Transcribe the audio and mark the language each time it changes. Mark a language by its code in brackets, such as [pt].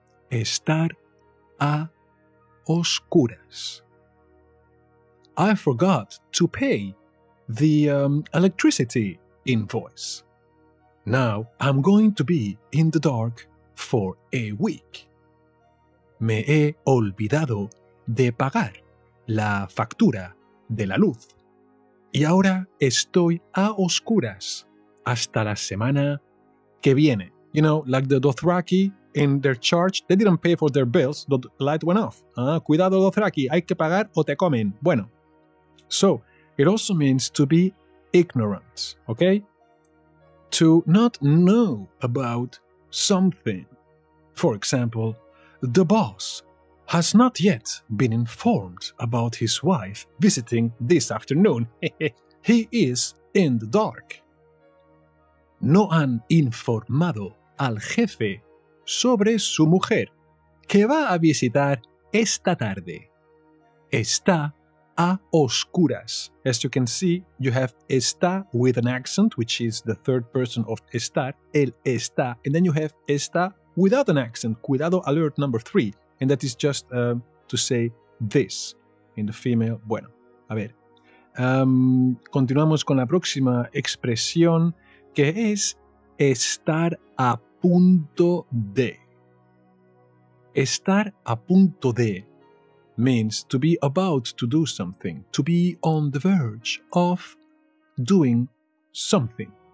[es] Estar a oscuras. [en] I forgot to pay the electricity invoice. Now I'm going to be in the dark for a week. [es] Me he olvidado de pagar la factura de la luz. Y ahora estoy a oscuras hasta la semana que viene. [en] You know, like the Dothraki in their charge, they didn't pay for their bills, the light went off. [es] Ah, cuidado Dothraki, hay que pagar o te comen. Bueno. [en] So, it also means to be ignorant, okay? To not know about something. For example, the boss has not yet been informed about his wife visiting this afternoon. He is in the dark. [es] No han informado al jefe sobre su mujer que va a visitar esta tarde. Está a oscuras. [en] As you can see, you have está with an accent, which is the third person of estar, [es] el está, [en] and then you have está without an accent, cuidado alert number three, and that is just to say this in the female. [es] Bueno, a ver, continuamos con la próxima expresión, que es estar a punto de. Estar a punto de [en] means to be about to do something, to be on the verge of doing something.